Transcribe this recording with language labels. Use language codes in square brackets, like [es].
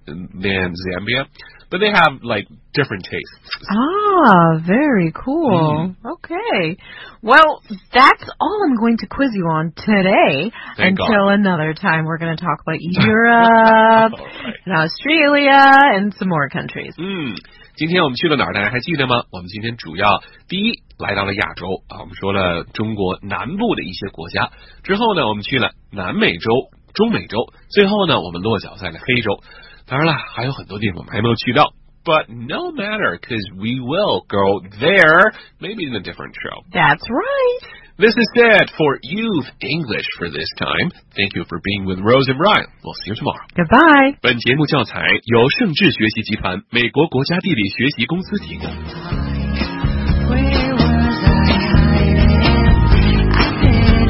[en] Than Zambia, but they have like different tastes. Ah, very cool. Mm-hmm. Okay, well, that's all I'm going to quiz you on today. Thank God. Another time, we're going to talk about Europe and Australia and some more countries. [zh] 今天我们去了哪儿？大家还记得吗？我们今天主要第一来到了亚洲啊，我们说了中国南部的一些国家。之后呢，我们去了南美洲、中美洲。最后呢，我们落脚在了非洲。当然了，还有很多地方还没有去到。 [en] But no matter, because we will go there, maybe in a different show. That's right. This is it for Youth English for this time. Thank you for being with Rose and Ryan. We'll see you tomorrow. Goodbye. [zh] 本节目教材由盛智学习集团美国国家地理学习公司提供。